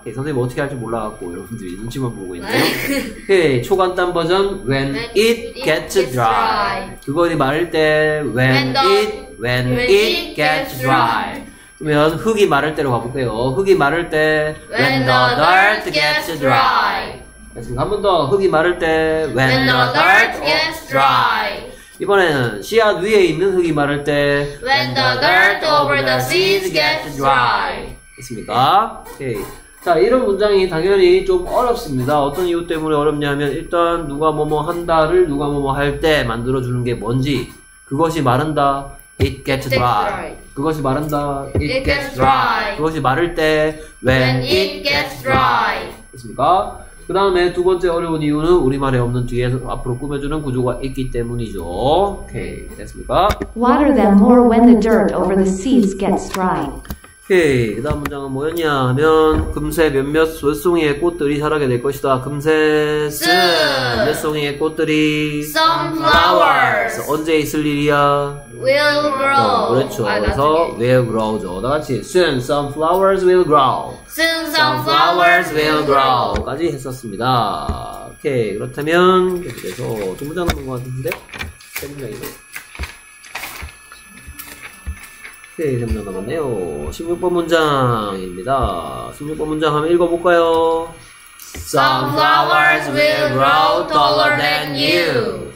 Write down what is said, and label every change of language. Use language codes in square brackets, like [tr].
[ko] 오케이, 선생님 어떻게 할지 몰라갖고 여러분들이 눈치만 보고 있네요. [en] 오케이, [ko] 초간단 버전. [en] When it gets dry. [ko] 그거를 말할 때 [en] When it gets dry. [ko] 그러면 흙이 마를 때로 가볼게요. 흙이 마를 때 [en] When the dirt gets dry. [ko] 됐습니까? 한 번 더. 흙이 마를 때 [en] When the dirt gets dry. [ko] 이번에는 씨앗 위에 있는 흙이 마를 때 [en] When the dirt over the seeds gets dry. [ko] 됐습니까? 오케이. 자, 이런 문장이 당연히 좀 어렵습니다. 어떤 이유 때문에 어렵냐면 일단 누가 뭐뭐 한다를 누가 뭐뭐 할 때 만들어주는 게 뭔지. 그것이 마른다 [en] It gets dry. [ko] 그것이 마른다 [en] It gets dry. [ko] 그것이 마를 때 [en] When it gets dry. [ko] 됐습니까? 그 다음에 두 번째 어려운 이유는 우리말에 없는 뒤에서 앞으로 꾸며주는 구조가 있기 때문이죠. 오케이. 됐습니까? [en] Water them more when the dirt over the seeds gets dry. [ko] 오케이. 그 다음 문장은 뭐였냐 하면 금세 몇몇 몇 송이의 꽃들이 자라게 될 것이다. 금세 [en] soon [ko] 몇 송이의 꽃들이 [en] sunflowers [ko] 언제 있을 일이야? [en] Will grow. [ko] 그렇죠. 그래서 [en] will grow죠. [ko] 나같이 [en] soon sunflowers will grow. Soon sunflowers will grow [ko] 까지 했었습니다. 오케이. 그렇다면 계속해서 두 문장 남은 것 같은데 세 문장이네. 네, 세 문장 남았네요. 16번 문장입니다. 16번 문장 한번 읽어볼까요? [en] Sunflowers will grow taller than you.